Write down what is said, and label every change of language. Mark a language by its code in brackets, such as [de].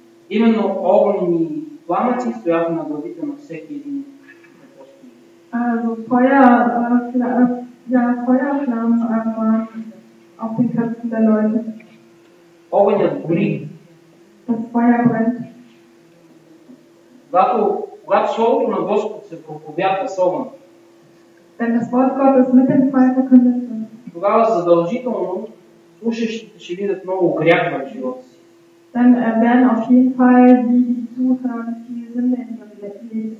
[bg] Именно огън и пламъци стоят на главите на всеки един. [de] Also Feuer, ja, Feuerflammen einfach auf den Köpfen der Leute. [bg] Огън гори. [de] Das Feuer brennt. [bg] Когато Словото на Господ се проповядва с огън. [de] Wenn das Wort Gottes mit dem Feuer verkündet wird. [bg] Тогава задължително слушащите ще видят много грях в живота си. [de] Dann werden auf jeden Fall die Zuhörer die Sünde in ihrem Leben